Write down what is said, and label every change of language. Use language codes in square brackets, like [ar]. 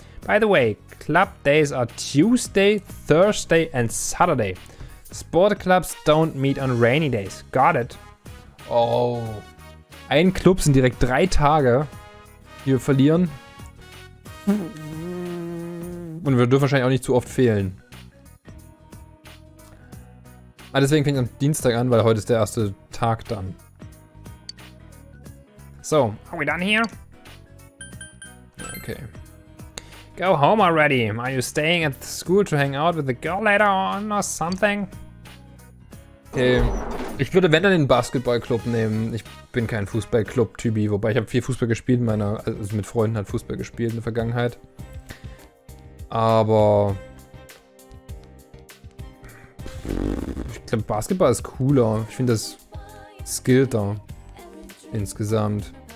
[en] By the way, club days are Tuesday, Thursday and Saturday. Sport clubs don't meet on rainy days. Got it? Oh. [de] Ein Club sind direkt 3 Tage, die wir verlieren. Und wir dürfen wahrscheinlich auch nicht zu oft fehlen. Ah, deswegen fängt am Dienstag an, weil heute ist der erste Tag dann. [en] So, are we done here? Okay. Go home already. Are you staying at the school to hang out with the girl later on or something? [de] Okay. Ich würde wenn dann den Basketballclub nehmen. Ich bin kein Fußballclub-Typi, wobei ich habe viel Fußball gespielt in meiner. Also mit Freunden hat Fußball gespielt in der Vergangenheit. Aber. Ich glaube, Basketball ist cooler. Ich finde das skillter insgesamt.